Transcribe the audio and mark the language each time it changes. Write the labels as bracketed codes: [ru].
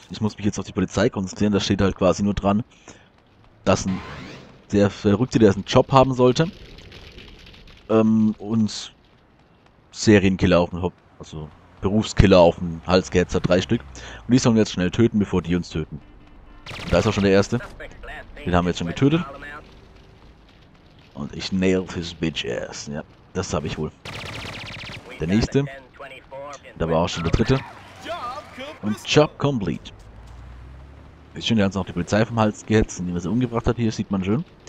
[de] Ich muss mich jetzt auf die Polizei konzentrieren. Da steht halt quasi nur dran, dass ein der Verrückte, der einen Job haben sollte, uns Serienkiller auf den also Berufskiller auf den Hals gehetzt hat, 3 Stück. Und die sollen jetzt schnell töten, bevor die uns töten. Und da ist auch schon der Erste. Den haben wir jetzt schon getötet. Und ich [en] nailed his bitch ass. [de] Ja, das habe ich wohl. Der Nächste. Da war auch schon der Dritte. Und [en] Job complete. [de] Ist schön, die haben uns noch die Polizei vom Hals gehetzt, indem er sie umgebracht hat. Hier sieht man schön.